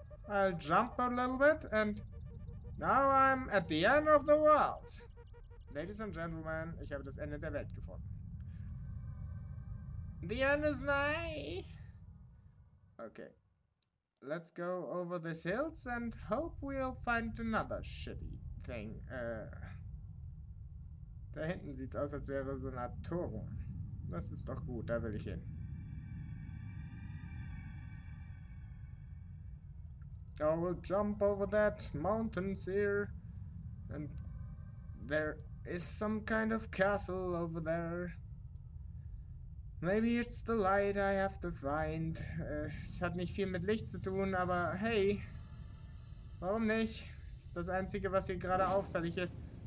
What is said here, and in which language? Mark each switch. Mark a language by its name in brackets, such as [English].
[English] I'll jump a little bit and now I'm at the end of the world. Ladies and gentlemen, [German] ich habe das Ende der Welt gefunden. [English] The end is nigh. Okay. Let's go over these hills and hope we'll find another shitty thing. [German] Da hinten sieht's aus, als wäre so eine Turm. Das ist doch gut, da will ich hin. [English] I will jump over that mountains here. And there is some kind of castle over there. Maybe it's the light I have to find. [German] Es hat nicht viel mit Licht zu tun, aber hey. Warum nicht? Das ist das Einzige, was hier gerade auffällig ist.